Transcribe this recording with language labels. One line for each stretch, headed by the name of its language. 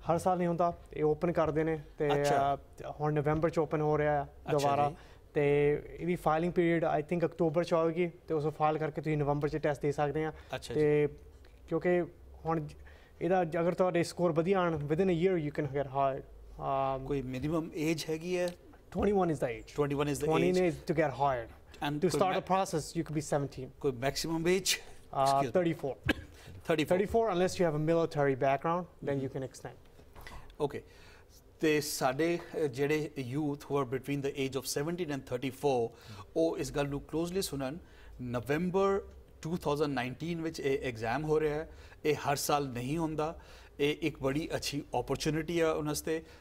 Punjabi: ਹਰ ਸਾਲ ਨਹੀਂ ਹੁੰਦਾ, ਇਹ ਓਪਨ ਕਰਦੇ ਨੇ ਅਤੇ ਹੁਣ ਨਵੰਬਰ 'ਚ ਓਪਨ ਹੋ ਰਿਹਾ ਦੁਬਾਰਾ, ਅਤੇ ਇਹਦੀ filing period
English: I think
Punjabi: October 'ਚ ਆਵੇਗੀ, ਅਤੇ ਉਸ ਫਾਈਲ ਕਰਕੇ ਤੁਸੀਂ ਨਵੰਬਰ 'ਚ ਟੈਸਟ ਦੇ ਸਕਦੇ ਹਾਂ। ਅਤੇ ਕਿਉਂਕਿ ਹੁਣ ਇਹਦਾ ਅਗਰ ਤੁਹਾਡੇ ਸਕੋਰ ਵਧੀਆ ਆਉਣ
English: Within a year you can get hired.
Punjabi: ਕੋਈ ਮਿਨੀਮਮ ਏਜ ਹੈਗੀ ਹੈ?
English: 21 is the age, 21 is the age, 21 is to get hired and to start a process you can be 17।
Punjabi: ਕੋਈ maximum age?
English: 34, unless you have a military background, then you can extend. Okay.
Punjabi: ਅਤੇ ਸਾਡੇ ਜਿਹੜੇ youth
English: who are between the age of 17 and 34,
Punjabi: ਉਹ ਇਸ ਗੱਲ ਨੂੰ closely ਸੁਣਨ, ਨਵੰਬਰ 2019 ਵਿੱਚ ਇਹ ਐਗਜ਼ਾਮ ਹੋ ਰਿਹਾ, ਇਹ ਹਰ ਸਾਲ ਨਹੀਂ ਹੁੰਦਾ, ਇਹ ਇੱਕ ਬੜੀ ਅੱਛੀ ਓਪਰਚੁਨਿਟੀ ਹੈ ਉਹਨਾਂ ਵਾਸਤੇ।